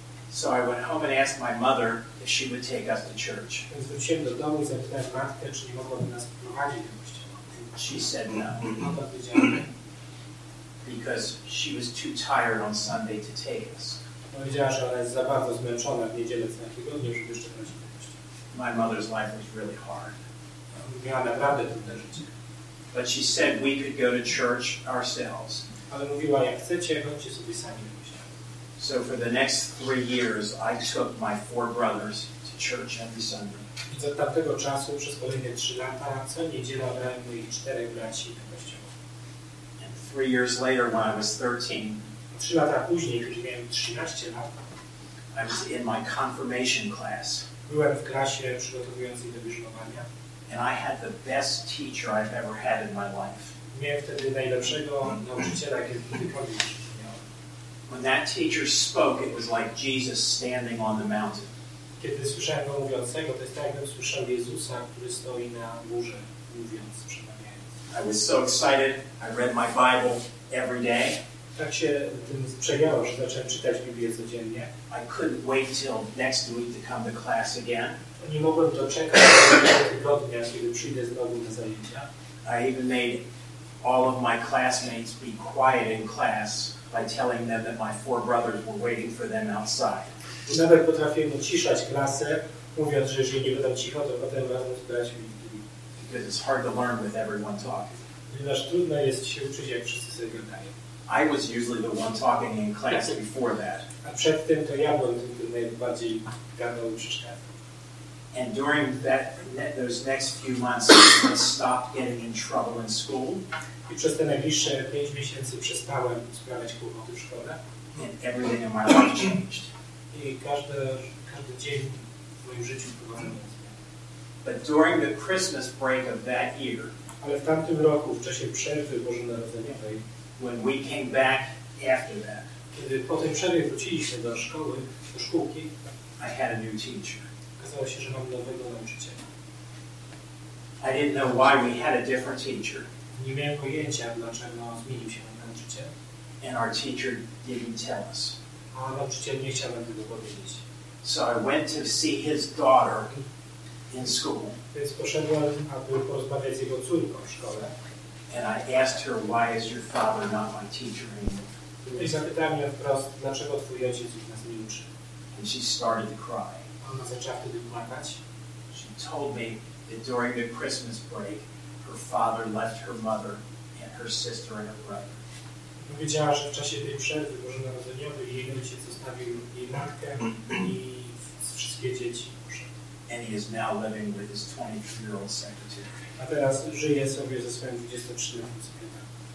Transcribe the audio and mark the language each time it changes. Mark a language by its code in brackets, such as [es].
[en] So I went home and asked my mother if she would take us to church. [pl] Więc wróciłem do domu i zapytałem matkę, czy nie mogłaby nas prowadzić do kościoła. [en] She said no. [pl] Matka powiedziała nie. [en] Because she was too tired on Sunday to take us. [pl] Powiedziała, że ona jest za bardzo zmęczona w niedzielę co takiego dnia, żeby jeszcze prowadzić do kościoła. [en] My mother's life was really hard. [pl] Miała naprawdę trudne życie. [en] But she said we could go to church ourselves. [pl] Ale mówiła, jak chcecie, chodźcie sobie sami do kościoła. [en] So for the next 3 years, I took my 4 brothers to church every Sunday. [pl] I od tamtego czasu, przez kolejne 3 lata, co niedziela brałem moich 4 braci do kościoła. [en] And 3 years later, when I was 13, [pl] 3 lata później, kiedy miałem 13 lat, [en] I was in my confirmation class. [pl] Byłem w klasie przygotowującej do wierzbowania. [en] And I had the best teacher I've ever had in my life. [pl] Miałem wtedy najlepszego nauczyciela, kiedykolwiek miałem. [en] When that teacher spoke, it was like Jesus standing on the mountain. [pl] Kiedy słyszałem go mówiącego, to jest tak, jakbym słyszał Jezusa, który stoi na górze, mówiąc, przemawiając. [en] I was so excited. I read my Bible every day. [pl] Tak się tym przejęło, że zacząłem czytać Biblię codziennie. [en] I couldn't wait till next week to come to class again. [pl] Nie mogłem doczekać kolejnego tygodnia, kiedy przyjdę znowu na zajęcia. [en] I even made all of my classmates be quiet in class by telling them that my 4 brothers were waiting for them outside. [pl] I nawet potrafiłem uciszać klasę, mówiąc, że jeżeli nie będą cicho, to potem razem z braćmi. [en] Because it's hard to learn with everyone talking. [pl] Ponieważ trudno jest się uczyć, jak wszyscy sobie gadają. [en] I was usually the one talking in class before that. [pl] A przed tym to ja byłem tym, który najbardziej gadał i przeszkadzał. [en] And during those next few months, I stopped getting in trouble in school. [pl] I przez te najbliższe 5 miesięcy przestałem sprawiać kłopoty w szkole. [en] And everything in my life changed. [pl] I każdy dzień w moim życiu poważnie zmienił. [en] But during the Christmas break of that year, [pl] ale w tamtym roku, w czasie przerwy bożonarodzeniowej, [en] when we came back after that, [pl] kiedy po tej przerwie wróciliśmy do szkoły, do szkółki, [en] I had a new teacher. [pl] Okazało się, że mam nowego nauczyciela. [en] I didn't know why we had a different teacher. [pl] Nie miałem pojęcia, dlaczego zmienił się nauczyciel. [en] And our teacher didn't tell us. [pl] A nauczyciel nie chciał nam tego powiedzieć. [en] So I went to see his daughter in school. [pl] Więc poszedłem, aby porozmawiać z jego córką w szkole. [en] And I asked her, why is your father not my teacher anymore? [pl] I zapytałem ją wprost, dlaczego twój ojciec już nas nie uczy. [en] And she started to cry. [pl] Ona zaczęła wtedy płakać. [en] She told me that during the Christmas break, her father left her mother and her sister and her brother. [pl] Wiedziała, że w czasie tej przerwy bożonarodzeniowej jej ojciec zostawił jej matkę i wszystkie dzieci. [en] And he is now living with his 23-year-old secretary. [pl] A teraz żyje sobie ze swoim 23-letnim sekretarzem.